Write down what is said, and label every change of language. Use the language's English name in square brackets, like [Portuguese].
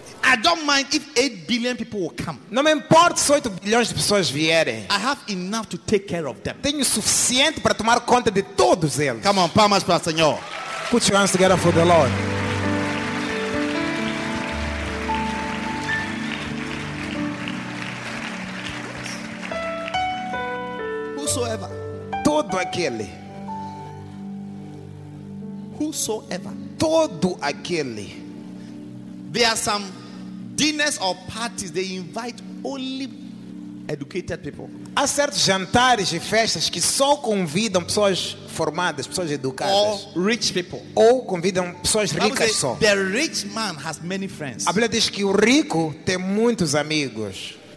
[English] I don't mind if 8 billion people will come. [Portuguese] Não me importa se 8 bilhões de pessoas vierem. [English] I have enough to take care of them. [Portuguese] Tenho suficiente para tomar conta de todos eles. [English] Come on, [Portuguese] palmas para o Senhor. [English] Put your hands together for the Lord. Whosoever. [Portuguese] Todo aquele. [English] Whosoever. [Portuguese] Todo aquele. [English] There are some dinners or parties, they invite only educated people. [Portuguese] Há certos jantares e festas que só convidam pessoas formadas, pessoas educadas. [English] Or rich people. [Portuguese] Ou convidam pessoas ricas só. [English] The rich man has many friends. [Portuguese] A Bíblia diz que o rico tem muitos amigos.